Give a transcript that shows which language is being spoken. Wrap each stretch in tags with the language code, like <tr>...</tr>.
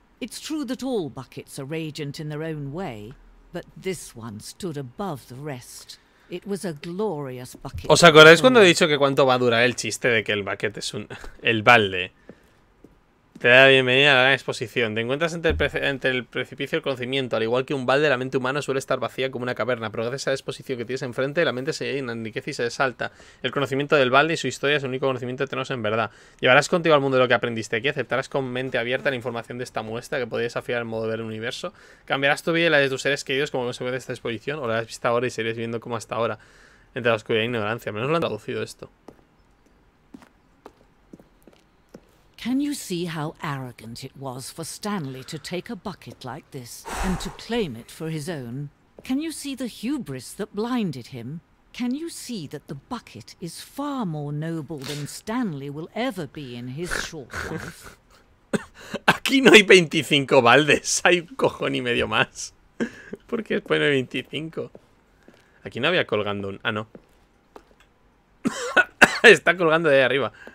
<en>It's true that all buckets are radiant in their own way, but this one stood above the rest. It was a glorious bucket.</en> <es>¿Os acordáis cuando he dicho que cuánto va a durar el chiste de que el bucket es un el balde? Te da la bienvenida a la gran exposición. Te encuentras entre el precipicio y el conocimiento. Al igual que un balde, la mente humana suele estar vacía como una caverna. Pero gracias a la exposición que tienes enfrente, la mente se enriquece y se desalta. El conocimiento del balde y su historia es el único conocimiento que tenemos en verdad. Llevarás contigo al mundo lo que aprendiste aquí. Aceptarás con mente abierta la información de esta muestra que podría desafiar el modo de ver el universo. Cambiarás tu vida y la de tus seres queridos como consecuencia de esta exposición. O la has visto ahora y seguirás viendo como hasta ahora. Entre la oscuridad e ignorancia. Menos lo han traducido esto.</es> <en>Can you see how arrogant it was for Stanley to take a bucket like this and to claim it for his own? Can you see the hubris that blinded him? Can you see that the bucket is far more noble than Stanley will ever be in his short life?</en> <es>Aquí no hay 25 baldes, hay un cojón y medio más. ¿Por qué pone 25? Aquí no había colgando un... Ah, no. Está colgando de ahí arriba.</es>